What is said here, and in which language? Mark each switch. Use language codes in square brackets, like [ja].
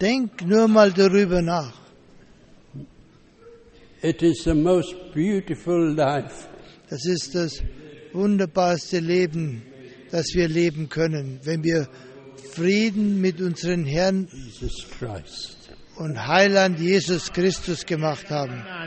[de] Denk nur mal darüber nach. [en] It is the most beautiful life. [de] Das ist das wunderbarste Leben, das wir leben können, wenn wir Frieden mit unserem Herrn [en] Jesus Christ [de] und Heiland Jesus Christus gemacht haben.